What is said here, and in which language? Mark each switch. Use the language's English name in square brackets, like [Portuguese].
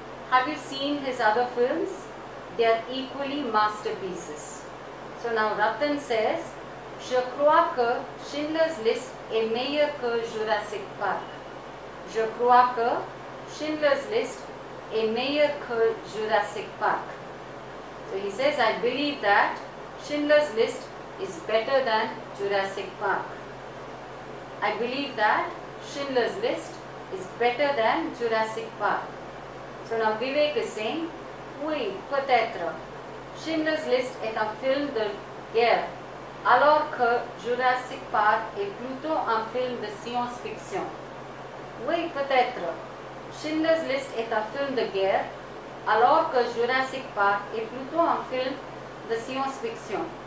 [English] Have you seen his other films? They are equally masterpieces. So now Ratan says, [French] Je crois que Schindler's List est meilleur que Jurassic Park. Je crois que Schindler's List est meilleur que Jurassic Park. [English] So he says, I believe that Schindler's List is better than Jurassic Park. I believe that Schindler's List is better than Jurassic Park. So now Vivek is saying, [French] oui, peut-être. Schindler's List est un film de guerre, alors que Jurassic Park est plutôt un film de science-fiction. Oui, peut-être. Schindler's List est un film de guerre, alors que Jurassic Park est plutôt un film de science-fiction.